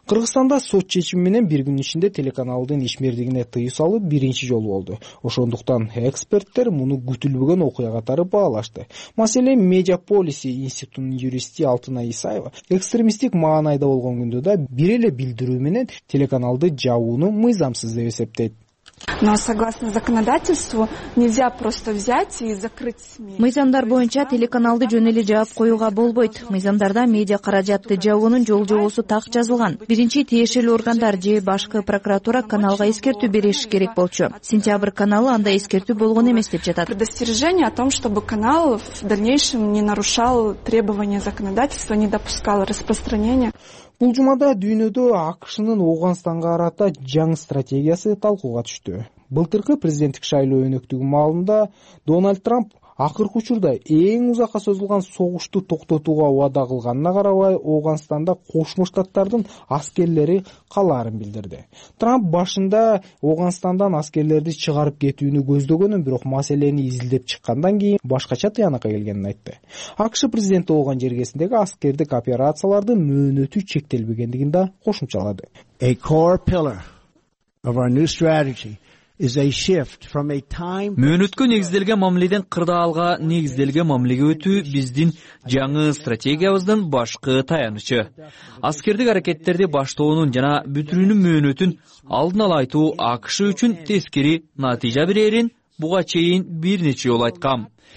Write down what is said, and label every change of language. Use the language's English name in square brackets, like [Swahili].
[Kyrgyz] Кыргызстанда сот чечими менен бир күн ичинде телеканалдын ишмердигине тыюу салуу биринчи жолу болду. Ошондуктан эксперттер муну күтүлбөгөн окуя катары баалашты. Маселен, Медиаполиси институтунун юристи Алтынай Исаева экстремисттик маанайда болгон күндө да бир эле билдирүү менен телеканалды жабууну мыйзамсыз деп эсептейт. [Russian] Но согласно законодательству нельзя просто взять и закрыть СМИ. [Kyrgyz] Мыйзамдар боюнча телеканалды жөн эле жаап коюуга болбойт. Мыйзамдарда медиа каражатты жабуунун жол-жобосу так жазылган. Биринчи тиешелүү органдар же башкы прокуратура каналга эскертүү бериш керек болчу. Сентябрь каналы андай эскертүү болгон эмес деп жатат. [Russian] Предостережение о том, чтобы канал в дальнейшем не нарушал требования законодательства, не допускал распространения. [Kyrgyz] Бул жумада дүйнөдө АКШнын Ооганстанга карата жаңы стратегиясы талкууга түштү. Былтыркы президенттик шайлоо өнөктүгү маалында Дональд Трамп акыркы учурда эң узакка созулган согушту токтотууга убада кылганына карабай, Ооганстанда Кошмо Штаттардын аскерлери калаарын билдирди. Трамп башында Ооганстандан аскерлерди чыгарып кетүүнү көздөгөнүн, бирок маселени изилдеп чыккандан кийин башкача тыянакка келгенин айтты. АКШ президенти Ооган жергесиндеги аскердик операциялардын мөөнөтү чектелбегендигин да кошумчалады. [English] A core pillar of our new strategy is a shift from a time [Kyrgyz] мөөнөткө негизделген мамиледен кырдаалга негизделген мамилеге өтүү биздин жаңы стратегиябыздын башкы таянычы. Аскердик аракеттерди баштоонун жана бүтүрүүнүн мөөнөтүн алдын ала айтуу АКШ үчүн тескери натыйжа берерин буга чейин бир нече жолу айткам.